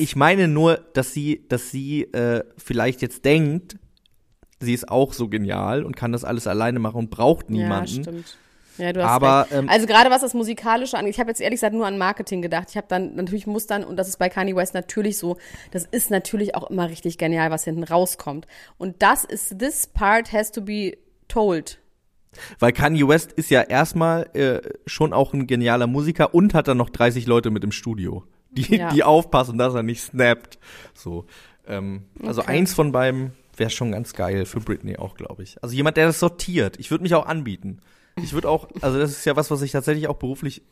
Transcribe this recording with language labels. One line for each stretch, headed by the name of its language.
German: Ich meine nur, dass sie vielleicht jetzt denkt, sie ist auch so genial und kann das alles alleine machen und braucht niemanden. Ja, stimmt. Ja, du hast aber, recht. Also gerade was das Musikalische angeht, ich habe jetzt ehrlich gesagt nur an Marketing gedacht. Ich habe dann, natürlich muss dann, und das ist bei Kanye West natürlich so, das ist natürlich auch immer richtig genial, was hinten rauskommt. Und das ist,
English: this part has to be told.
German: Weil Kanye West ist ja erstmal schon auch ein genialer Musiker und hat dann noch 30 Leute mit im Studio, die aufpassen, dass er nicht snappt. So, also eins von beiden wäre schon ganz geil für Britney auch, glaube ich. Also jemand, der das sortiert. Ich würde mich auch anbieten. Ich würde auch, also das ist ja was ich tatsächlich auch beruflich